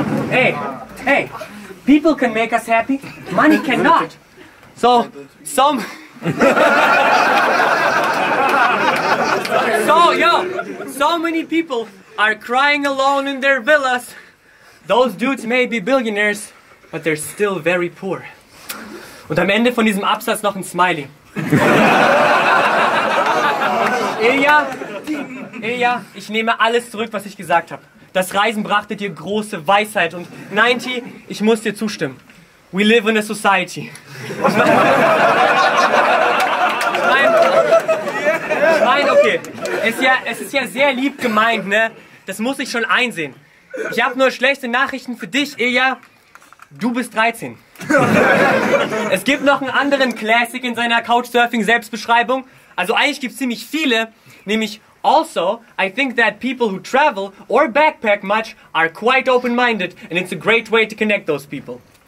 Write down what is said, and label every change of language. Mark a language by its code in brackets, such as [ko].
[en] Hey, people can make us happy, money cannot. So many people are crying alone in their villas. Those dudes may be billionaires, but they're still very poor. [de] Und am Ende von diesem Absatz noch ein Smiley. Ilja, ich nehme alles zurück, was ich gesagt habe. Das Reisen brachte dir große Weisheit und 90, ich muss dir zustimmen. [en] We live in a society. [de] Ich meine, okay, es ist ja sehr lieb gemeint, ne? Das muss ich schon einsehen. Ich habe nur schlechte Nachrichten für dich, Ilja. Du bist 13. Es gibt noch einen anderen Classic in seiner Couchsurfing-Selbstbeschreibung. Also eigentlich gibt es ziemlich viele, nämlich... [en] Also, I think that people who travel or backpack much are quite open-minded, and it's a great way to connect those people.